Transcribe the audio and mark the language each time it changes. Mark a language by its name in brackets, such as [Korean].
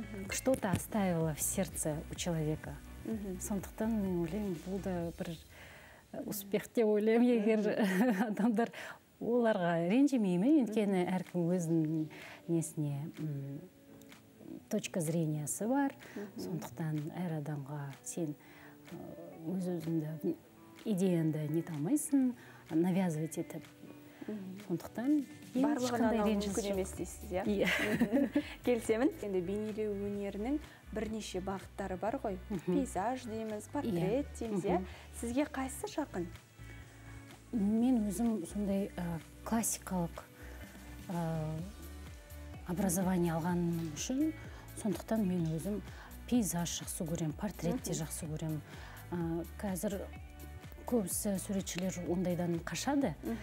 [Russian] Что-то оставила в сердце у человека. [Kazakh] Сондықтан мен ойлаймын, бұл да бір успех деп ойлаймын, егер адамдар оларға ренжімеймін, өйткені әркім өзінің несіне точка зрениясы бар. Сондықтан әр адамға сен өз-өзіңді идеяңды не талмайсың, навязывать етіп. Сондықтан барлығынан алу мүмкін емес дейсіз, иә? Иә. Келісемін. Енді бейнелеу өнерінің бірнеше бағыттары бар ғой. Пейзаж дейміз, портрет дейміз, иә? Сізге қайсы жақын? Мен өзім сондай классикалық образование алған үшін, сондықтан мен өзім пейзаж жақсы көрем, портретте жақсы көрем. Қазір көбісі суретшілер ондайдан қашады.